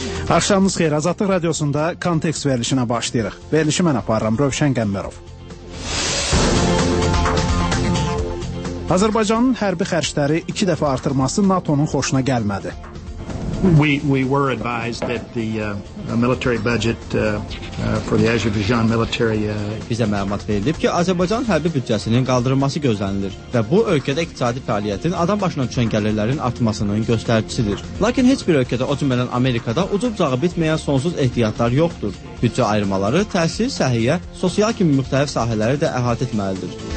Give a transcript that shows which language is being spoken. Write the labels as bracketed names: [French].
[Azerbaijani] Axşamınız xeyir, Azadlıq Radiosunda Kontekst verilişinə başlayırıq. Verilişi mən aparıram, Rövşən Qəmbərov. Azərbaycanın hərbi xərcləri iki dəfə artırması NATO-nun xoşuna gəlmədi. [English] We were advised that the military budget for the Azerbaijan military [Azerbaijani] bizə məlumat verilib ki, Azərbaycan hərbi büdcəsinin qaldırılması gözlənilir və bu ölkədə iqtisadi fəaliyyətin adam başına düşən gəlirlərin artmasının göstəricisidir. Lakin heç bir ölkədə, o cümlədən Amerikada ucub-bucağı bitməyən sonsuz ehtiyatlar yoxdur. Büdcə ayırmaları təhsil, səhiyyə, sosial kimi müxtəlif sahələri də əhatə etməlidir.